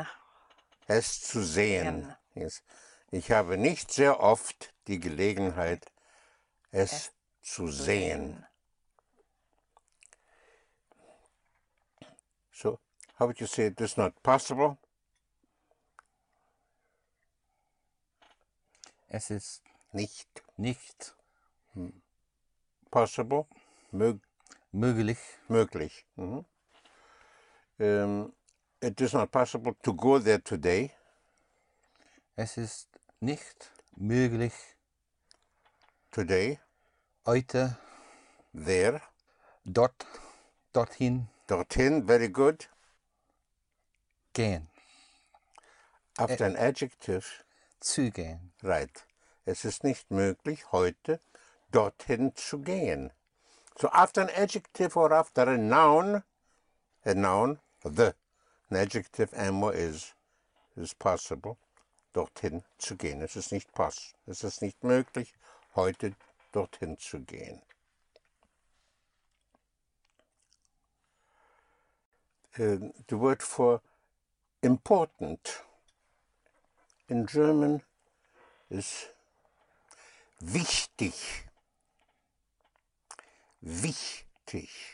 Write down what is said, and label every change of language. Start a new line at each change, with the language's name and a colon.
German: Sehr oft die Gelegenheit, es zu sehen.
English: Yes.
German: Ich habe nicht sehr oft die Gelegenheit, es zu sehen.
English: So, how would you say it is not possible?
German: Es ist nicht
English: possible, möglich. Mm-hmm. It is not possible to go there today.
German: Es ist nicht möglich
English: today.
German: Heute.
English: There.
German: Dorthin,
English: very good.
German: Gehen.
English: After an adjective.
German: Zu gehen.
English: Right.
German: Es ist nicht möglich, heute dorthin zu gehen.
English: So after an adjective or after a noun, the. An adjective ammo is possible,
German: dorthin zu gehen. Es ist nicht möglich, heute dorthin zu gehen.
English: The word for important in German is wichtig.
German: Wichtig.